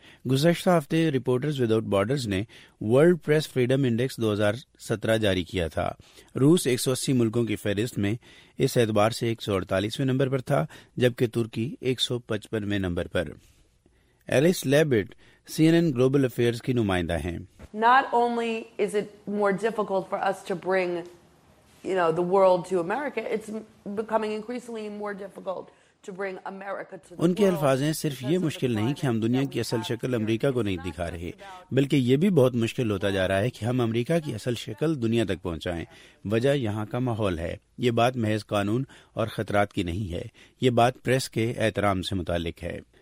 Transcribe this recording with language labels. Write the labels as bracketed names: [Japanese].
[Urdu] گزشتہ ہفتے reporters with out borders نے ورلڈ پریس فریڈم انڈیکس 2017 جاری کیا تھا. روس 180 ملکوں کی فہرست میں اس اعتبار سے 148 نمبر پر تھا، جبکہ ترکی 155 نمبر پر. ایلس لیبٹ سی این این گلوبل افیئرز کی نمائندہ ہیں. [English] Not only is it more difficult for us to bring you know the world to America, it's becoming increasingly more difficult. [Urdu] ان کے الفاظ ہیں، صرف یہ مشکل نہیں کہ ہم دنیا کی اصل شکل امریکہ کو نہیں دکھا رہے، بلکہ یہ بھی بہت مشکل ہوتا جا رہا ہے کہ ہم امریکہ کی اصل شکل دنیا تک پہنچائیں. وجہ یہاں کا ماحول ہے. یہ بات محض قانون اور خطرات کی نہیں ہے، یہ بات پریس کے احترام سے متعلق ہے.